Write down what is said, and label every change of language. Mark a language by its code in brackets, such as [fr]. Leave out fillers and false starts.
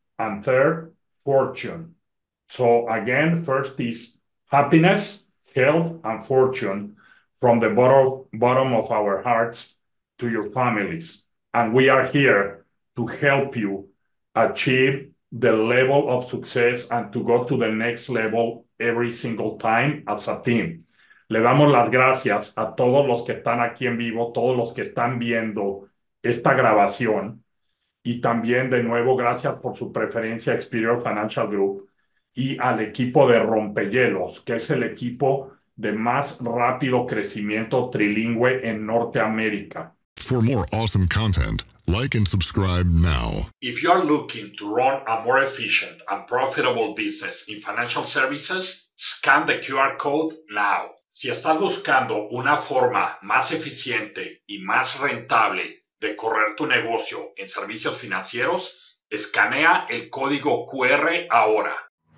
[en] And third, fortune. So again, first is happiness, health, and fortune from the bottom of our hearts to your families. And we are here to help you achieve the level of success and to go to the next level every single time as a team. [es] Le damos las gracias a todos los que están aquí en vivo, todos los que están viendo esta grabación. Y también, de nuevo, gracias por su preferencia a Experior Financial Group y al equipo de Rompehielos, que es el equipo de más rápido crecimiento trilingüe en Norteamérica. [en] For more awesome content, like and subscribe now. If you are looking to run a more efficient and profitable business in financial services, scan the QR code now. [es] Si estás buscando una forma más eficiente y más rentable de correr tu negocio en servicios financieros, escanea el código QR ahora.